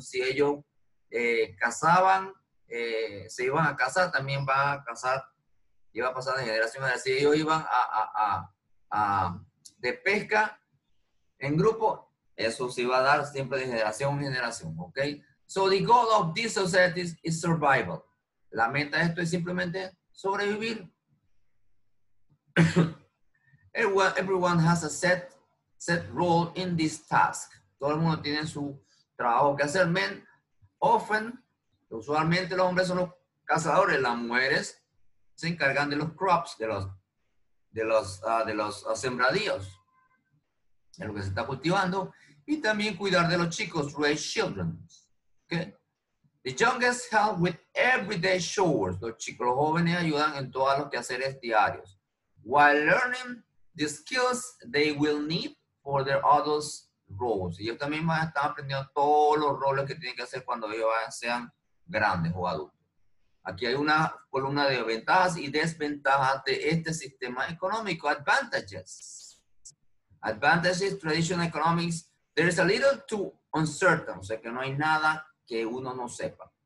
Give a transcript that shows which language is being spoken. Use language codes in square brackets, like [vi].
[es] Si ellos cazaban, se iban a cazar, también van a cazar. Iba a pasar de generación a generación, ellos iban a de pesca en grupo, eso se iba a dar siempre de generación en generación, ¿ok? [en] So the goal of this society is survival. [es] La meta de esto es simplemente sobrevivir. [en] Everyone has a set role in this task. [es] Todo el mundo tiene su trabajo que hacer. [en] Men often, [es] usualmente los hombres son los cazadores, las mujeres se encargan de los crops, de los sembradíos, de lo que se está cultivando, y también cuidar de los chicos, [en] raise children. Okay. The youngest help with everyday chores. [es] Los chicos, los jóvenes ayudan en todos los quehaceres diarios. [en] While learning the skills they will need for their adult roles. [es] Ellos también van a estar aprendiendo todos los roles que tienen que hacer cuando ellos sean grandes o adultos. Aquí hay una columna de ventajas y desventajas de este sistema económico. [en] Advantages. Advantages, traditional economics. There is a little too uncertain. [es] O sea que no hay nada que uno no sepa.